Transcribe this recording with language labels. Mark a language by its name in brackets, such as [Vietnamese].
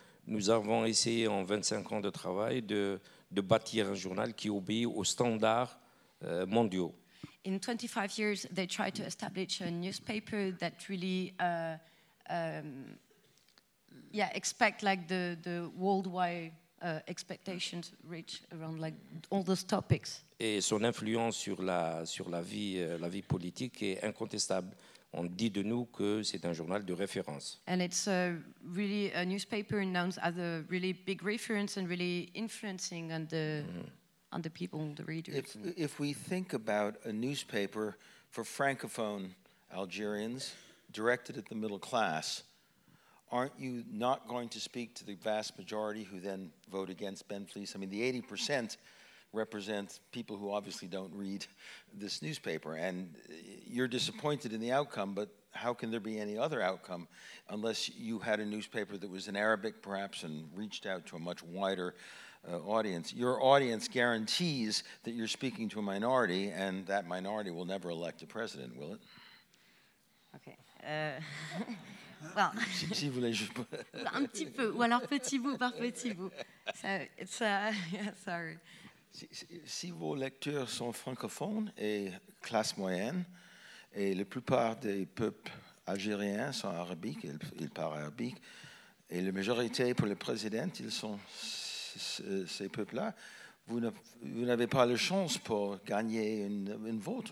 [French] Nous avons essayé en 25 ans de travail de bâtir un journal qui obéit aux standards mondiaux. [English] In 25 years, they tried to establish a newspaper that really, expect like the worldwide expectations reach around like all those topics. [French] Et son influence sur la vie politique est incontestable. On dit de nous que c'est un journal de référence. [English] And it's a really a newspaper known as a really big reference and really influencing on the. On the people, the readers. If we think about a newspaper for Francophone Algerians directed at the middle class, aren't you not going to speak to the vast majority who then vote against Benflis? I mean, the 80% represent people who obviously don't read this newspaper, and you're disappointed in the outcome, but how can there be any other outcome unless you had a newspaper that was in Arabic, perhaps, and reached out to a much wider audience. Your audience guarantees that you're speaking to a minority, and that minority will never elect a president, will it? Okay. Well. [French] Si vous voulez, je peux. Un petit peu, ou alors petit bout par petit bout. [English] So it's sorry. [French] Si vos lecteurs sont francophones et classe moyenne, et la plupart des peuples algériens sont arabiques, ils parlent arabique, et la majorité pour le président, ils sont ces peuples-là, vous n'avez pas la chance pour gagner une vote.